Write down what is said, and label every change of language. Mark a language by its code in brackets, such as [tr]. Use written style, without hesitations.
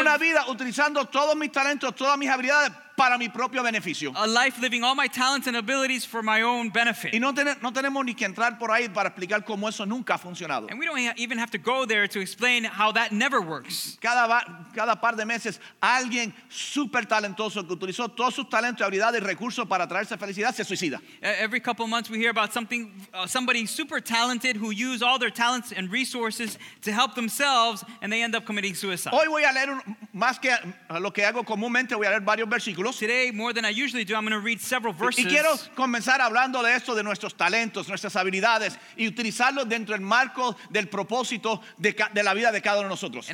[es] una vida utilizando todos mis talentos, todas mis habilidades para mi propio beneficio. [en] A life living all my talents and abilities for my own benefit. [es] Y no tenemos ni que entrar por ahí para explicar cómo eso nunca ha funcionado. [en] And we don't even have to go there to explain how that never works. [es] Cada par de meses, alguien súper talentoso que utilizó todos sus talentos, habilidades y recursos para traerse felicidad se suicida. [en] Every couple of months we hear about something, somebody super talented who used all their talents and resources to help themselves and they end up committing suicide. [es] Hoy voy a leer más que lo que hago comúnmente, voy a leer varios versículos. [en] Today, more than I usually do, I'm going to read several verses. [es] Y quiero comenzar hablando de esto, de nuestros talentos, nuestras habilidades, y utilizarlos dentro del marco del propósito de la vida de cada uno de nosotros.